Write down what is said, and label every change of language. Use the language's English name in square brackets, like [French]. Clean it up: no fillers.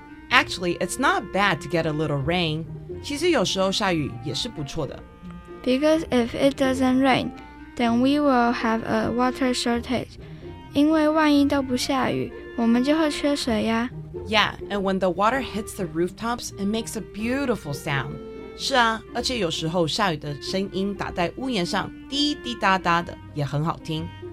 [English] Actually, it's not bad to get a little rain. [Chinese] 其实有时候下雨也是不错的。 [English] Because if it doesn't rain, then we will have a water shortage. [Chinese] 因为万一都不下雨，我们就会缺水呀。 [English] Yeah, and when the water hits the rooftops, it makes a beautiful sound. [Chinese] 是啊，而且有时候下雨的声音打在屋檐上，滴滴答答的，也很好听。